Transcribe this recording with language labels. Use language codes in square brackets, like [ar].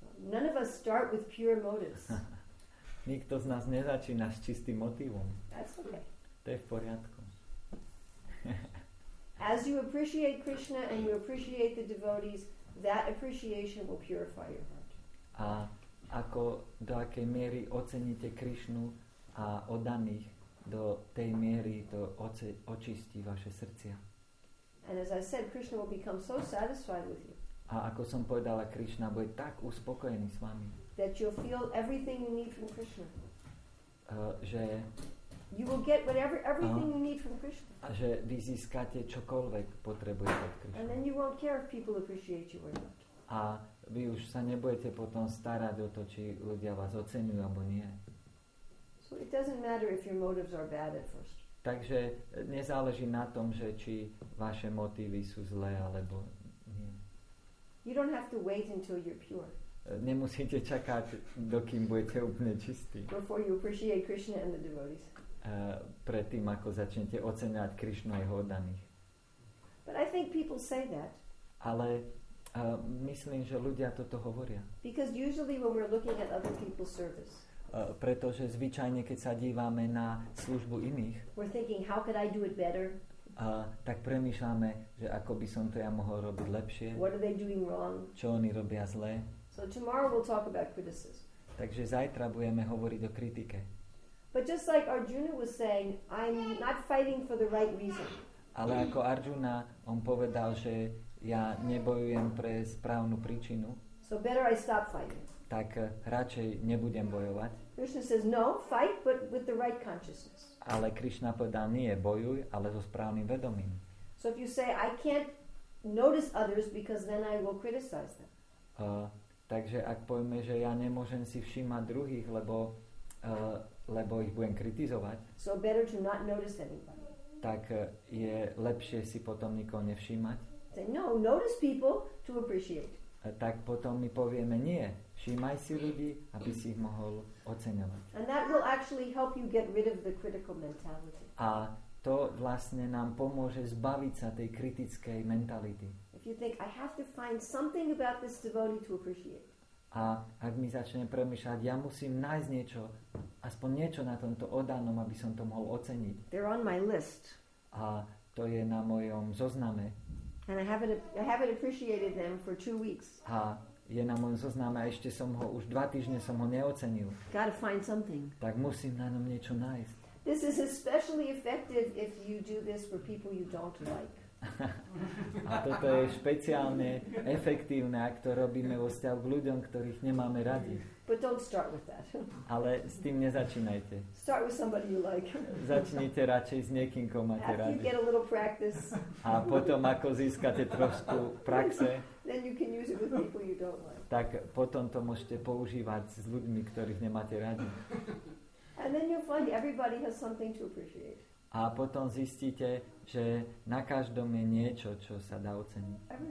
[en] None of us start with pure motives. [sk] Nikto z nás nezačína s čistým motivom. [en] That's okay. [sk] To je v poriadku. [en] As you appreciate Krishna and you appreciate the devotees, that appreciation will purify your heart. [sk] A ako do akej miery oceníte Krishnu a oddaných, do tej miery to očistí vaše srdcia. [en] And as I said, Krishna will become so satisfied with you. [sk] A ako som povedala, Krishna bude tak uspokojený s vami. [en] That you'll feel everything you need from Krishna. [sk] Že [en] you will get whatever everything you need from Krishna. [sk] A že vy získate čokoľvek potrebujete od Krishna. [en] And then you won't care if people appreciate you or not. [sk] A vy už sa nebudete potom starať o to, či ľudia vás oceňujú alebo nie. [en] So it doesn't matter if your motives are bad at first. [sk] Takže nezáleží na tom, že či vaše motívy sú zlé alebo nie. [en] You don't have to wait until you're pure. [sk] Nemusíte čakať, dokým budete úplne čistí. [en] Before you appreciate Krishna and the devotees. [sk] Predtým, ako začnete oceňovať Krishnu a jeho oddaných. [en] But I think people say that. [sk] Ale myslím, že ľudia toto hovoria. [en] Because usually when we're looking at other people's service. [sk] Pretože zvyčajne, keď sa dívame na službu iných, [en] we're thinking, how could I do it better? [sk] Tak premýšľame, že ako by som to ja mohol robiť lepšie. [en] What are they doing wrong? [sk] Čo oni robia zlé? [en] So tomorrow we'll talk about criticism. [sk] Takže zajtra budeme hovoriť o kritike. [en] But just like Arjuna was saying, I'm not fighting for the right reason. [sk] Ale ako Arjuna, on povedal, že ja nebojujem pre správnu príčinu. [en] So better I stop fighting. [sk] Tak radšej nebudem bojovať. [en] Krishna says no, fight but with the right consciousness. [sk] Ale Krishna povedal, nie, bojuj, ale so správnym vedomím. [en] So if you say I can't notice others because then I will criticize them. [sk] Takže ak povieme, že ja nemôžem si všímať druhých, lebo ich budem kritizovať, [en] so better to not notice anybody. [sk] Tak je lepšie si potom nikoho nevšímať. [en] Say, no, notice people to appreciate. [sk] Tak potom my povieme, nie, všímaj si ľudí, aby si ich mohol oceňovať. [en] And that will actually help you get rid of the critical mentality. [sk] A to vlastne nám pomôže zbaviť sa tej kritickej mentality. [en] You think I have to find something about this devotee to appreciate. [sk] A ak mi začne premýšľať, ja musím nájsť niečo, aspoň niečo na tomto oddanom, aby som to mohol oceniť. [en] They're on my list. [sk] A to je na mojom zozname. [en] And I haven't appreciated them for 2 weeks. [sk] A je na mojom zozname a ešte som ho už 2 týždne som ho neocenil. [en] Gotta find something. [sk] Tak musím na ňom niečo nájsť. [en] This is especially effective if you do this for people you don't like. [sk] A toto je špeciálne efektívne, ak to robíme vo vzťahu k ľuďom, ktorých nemáme radi. [en] But don't start with that. [sk] Ale s tým nezačínajte. [en] Start with somebody you like. [sk] Začnite radšej s niekým, koho máte radi. [en] You get a little practice. [sk] A potom, ako získate trošku praxe, [en] then you can use it with people you don't like. [sk] Tak potom to môžete používať s ľuďmi, ktorých nemáte radi. [en] And then you'll find everybody has something to appreciate. [sk] A potom zistíte, že na každom je niečo, čo sa dá oceniť.